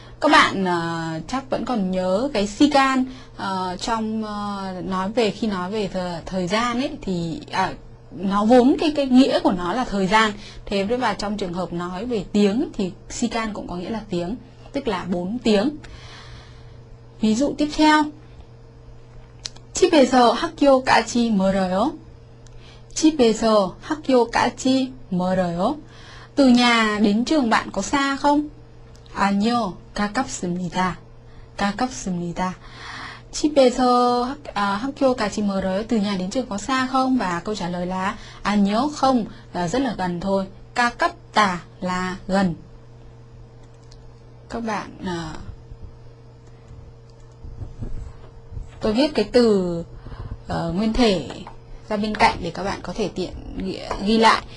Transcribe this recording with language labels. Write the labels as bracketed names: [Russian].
[Vietnamese] Các bạn chắc vẫn còn nhớ cái sikan trong nói về khi nói về thời gian ấy thì nó vốn cái nghĩa của nó là thời gian. Thế và trong trường hợp nói về tiếng thì sikan cũng có nghĩa là tiếng, tức là 4 tiếng. Ví dụ tiếp theo. [Korean] 집에서 학교까지 멀어요? 집에서 학교까지 멀어요? [Vietnamese] Từ nhà đến trường bạn có xa không? [Korean] 아니요, 가깝습니다. 가깝습니다. 집에서 학교까지 멀어요? [Vietnamese] Từ nhà đến trường có xa không? Và câu trả lời là 아니요, không, là rất là gần thôi. 가깝다 là gần. Các bạn, tôi viết cái từ nguyên thể ra bên cạnh để các bạn có thể tiện ghi lại.